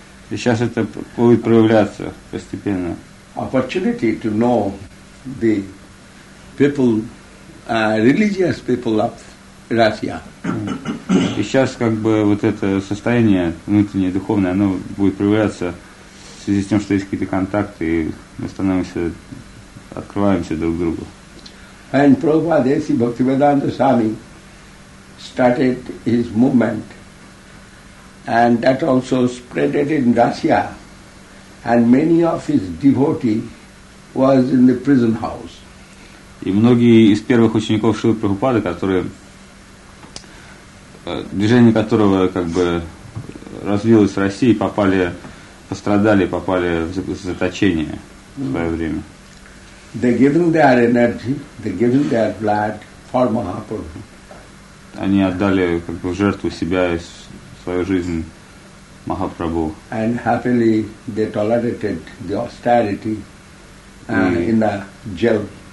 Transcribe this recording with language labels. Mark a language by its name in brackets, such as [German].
[Russian] Сейчас это будет проявляться постепенно. [English] Opportunity to know the people, religious people of Russia. [Russian] И сейчас как бы вот это состояние внутреннее, духовное, оно будет проявляться в связи с тем, что есть какие-то контакты, и мы становимся, открываемся друг другу. [English] And Prabhupada Esi Bhaktivedanta Swami started his movement, and that also spread it in Russia, and many of his devotees was in the prison house. [Russian] И многие из первых учеников Шрилы Прабхупады, которые движение которого как бы развилось в России, попали в заточение в свое время. [English] They given their energy, they given their blood for Mahaprabhu. [Russian] Они отдали как бы в жертву себя и свою жизнь Махапрабху. [English] And happily they tolerated the austerity in the jail.